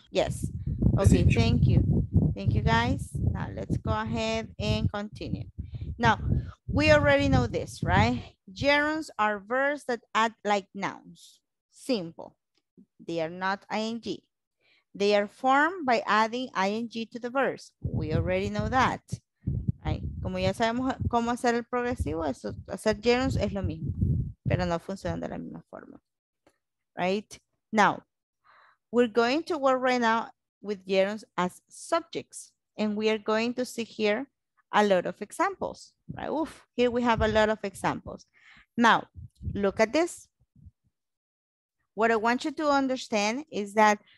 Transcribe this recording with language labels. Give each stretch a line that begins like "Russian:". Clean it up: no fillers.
English: Yes. Okay, thank you. Thank you, guys. Now let's go ahead and continue. Now, we already know this, right? Gerunds are verbs that act like nouns. Simple. They are not ing. They are formed by adding ing to the verbs. We already know that, right?
Spanish: Como ya sabemos cómo hacer el progresivo, eso, hacer gerunds es lo mismo, pero no funcionan de la misma forma, right?
English: Now, we're going to work right now with gerunds as subjects, and we are going to see here a lot of examples, right? Oof, here we have a lot of examples. Now, look at this. What I want you to understand is that